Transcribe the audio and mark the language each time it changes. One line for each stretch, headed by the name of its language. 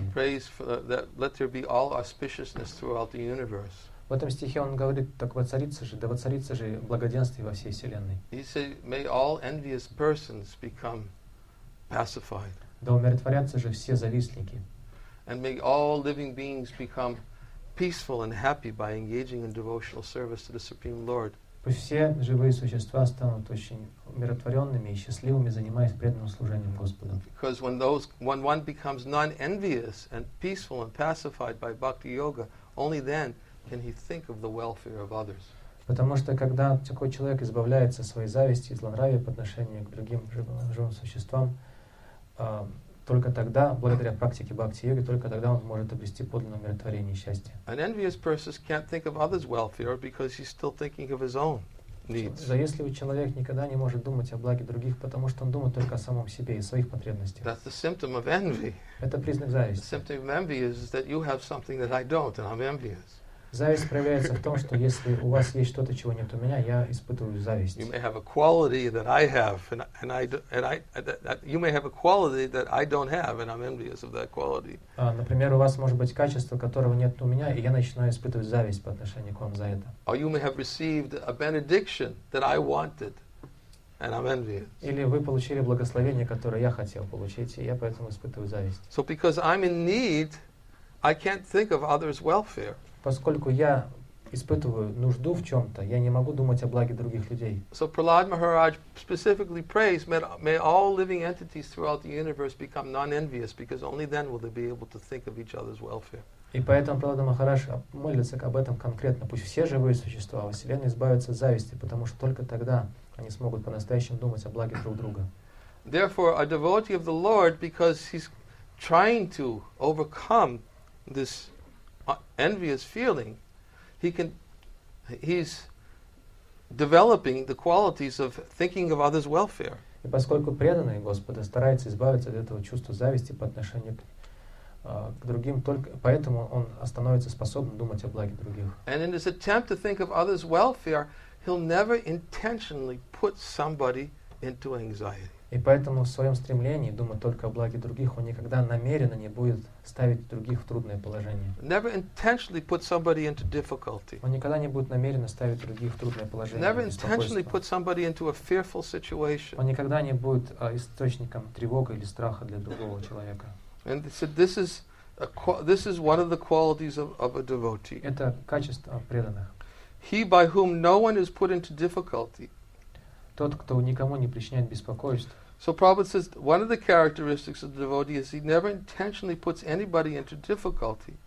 English: He prays that let there be all auspiciousness throughout the universe.
Russian: В этом стихе он говорит, так воцарится же, да воцарится же благоденствие во всей вселенной.
English: Said, may all envious persons become pacified.
Russian: Да умиротворятся же все завистники.
English: And may all living beings become peaceful and happy by engaging in devotional service to the Supreme Lord.
Russian: Пусть все живые существа станут очень умиротворенными и счастливыми, занимаясь преданным служением Господу.
English: Because when one becomes non-envious and peaceful and pacified by bhakti yoga, only then can he think of the welfare of others.
Russian: Потому что когда такой человек избавляется от своей зависти и злонравия по отношению к другим живым существам, только тогда, благодаря практике бхакти-йоги, только тогда он может обрести подлинное умиротворение и счастье.
English: An envious person can't think of others' welfare because he's still thinking of his own needs.
Russian: Завистливый человек никогда не может думать о благе других, потому что он думает только о самом себе и своих потребностях.
English: That's the symptom of envy.
Russian: Это признак зависти.
English: The symptom of envy is that you have something that I don't and I'm envious.
Russian: Зависть проявляется в том, что если у вас есть что-то, чего нет у меня, я испытываю зависть.
English: You may have a quality that I have, and I you may have a quality that I don't have, and I'm envious of that quality.
Russian: Например, у вас может быть качество, которого нет у меня, и я начинаю испытывать зависть по отношению к вам за это.
English: Or you may have received a benediction that I wanted. And I'm envious.
Russian: Или вы получили благословение, которое я хотел получить, и я поэтому испытываю зависть.
English: So because I'm in need, I can't think of others' welfare.
Russian: Поскольку я испытываю нужду в чем-то, я не могу думать о благе других людей.
English: So Prahlad Maharaj specifically prays, may all living entities throughout the universe become non-envious, because only then will they be able to think of each other's welfare.
Russian: И поэтому Прахлада Махарадж молится об этом конкретно. Пусть все живые существа во Вселенной избавятся от зависти, потому что только тогда они смогут по-настоящему думать о благе друг друга.
English: Therefore, a devotee of the Lord, because he's trying to overcome this envious feeling, he's developing the qualities of thinking of others' welfare.
Russian: И поскольку преданный Господа старается избавиться от этого чувства зависти по отношению к к другим, только поэтому он становится способным думать о благе других.
English: And in his attempt to think of others' welfare, he'll never intentionally put somebody into anxiety.
Russian: И поэтому в своем стремлении думать только о благе других, он никогда намеренно не будет ставить других в трудное положение.
English: Never intentionally put somebody into difficulty.
Russian: Он никогда не будет намеренно ставить других в трудное положение.
English: Never intentionally put somebody into a fearful situation.
Russian: Он никогда не будет источником тревоги или страха для другого человека.
English: And they said, this is one of the qualities of a devotee.
Russian: Это качество преданных.
English: He by whom no one is put into difficulty.
Russian: Тот, кто никому не причиняет беспокойств.
English: So Prabhupada says, one of the characteristics of the devotee is he never intentionally puts anybody into difficulty.